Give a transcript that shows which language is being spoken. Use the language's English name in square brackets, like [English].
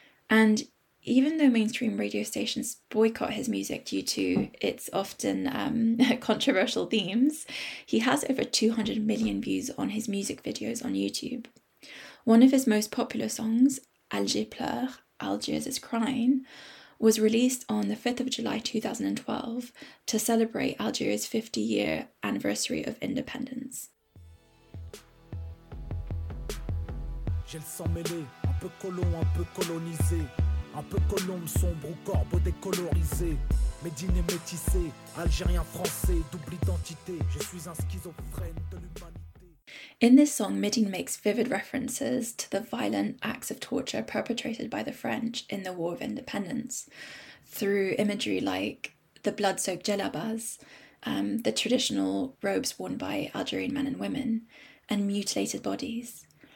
[English] And even though mainstream radio stations boycott his music due to its often controversial themes, he has over 200 million views on his music videos on YouTube. One of his most popular songs, Alger Pleure, Algiers is Crying, was released on the 5th of July 2012 to celebrate Algeria's 50-year anniversary of independence. [French] J'ai le sang mêlé, un peu colon, un peu colonisé, un peu colombe sombre ou corbeau décolorisé, Médine et métissé, Algérien français, double identité, je suis un schizophrène de l'humanité. [English] In this song, Midin makes vivid references to the violent acts of torture perpetrated by the French in the War of Independence through imagery like the blood-soaked djellabas, the traditional robes worn by Algerian men and women, and mutilated bodies.